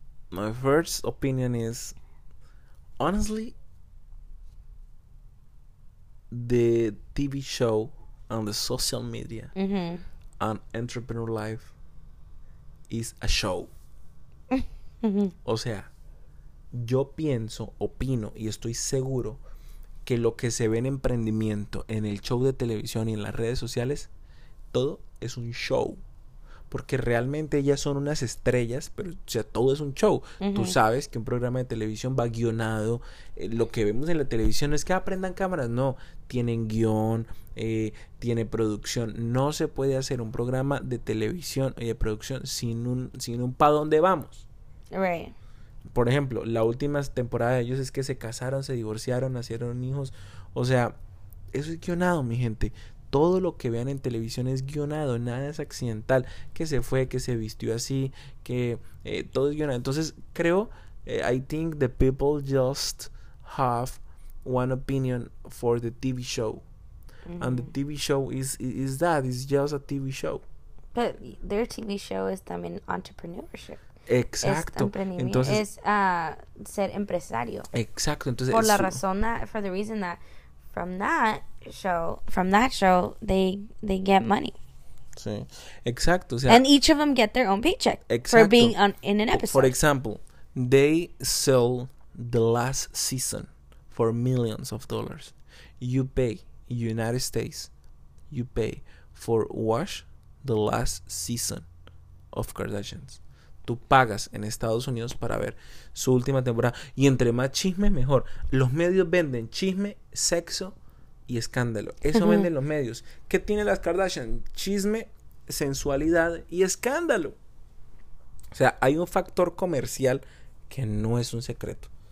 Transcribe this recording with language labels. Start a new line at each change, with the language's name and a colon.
English: My first opinion is. Honestly. The TV show and the social media and entrepreneur life is a show.
Spanish: O sea, yo pienso, opino y estoy seguro que lo que se ve en emprendimiento, en el show de televisión y en las redes sociales, todo es un show. Porque realmente ellas son unas estrellas, pero o sea, todo es un show. Uh-huh. Tú sabes que un programa de televisión va guionado. Lo que vemos en la televisión no es que aprendan cámaras, no. Tienen guión, tiene producción. No se puede hacer un programa de televisión y de producción sin un pa' dónde vamos.
English: Right.
Spanish: Por ejemplo, la última temporada de ellos es que se casaron, se divorciaron, nacieron hijos. O sea, eso es guionado, mi gente. Todo lo que vean en televisión es guionado, nada es accidental, que se fue, que se vistió así, que todo es guionado. Entonces creo,
English: I think the people just have one opinion for the TV show. Mm-hmm. And the TV show is that, it's just a TV show. But their TV show is también entrepreneurship.
Spanish: Exacto. Es ser empresario. Exacto. Entonces, por la razón,
English: for the reason that From that show, they get money.
Spanish: Sí, exacto. O sea,
English: and each of them get their own paycheck.
Spanish: Exacto.
English: For being on, in an episode. For example, they sell the last season for millions of dollars. You pay, United States, you pay for watch the last season of Kardashians.
Spanish: Tú pagas en Estados Unidos para ver su última temporada. Y entre más chisme, mejor. Los medios venden chisme, sexo y escándalo. Eso venden los medios. ¿Qué tiene las Kardashian? Chisme, sensualidad y escándalo. O sea, hay un factor comercial que no es un secreto.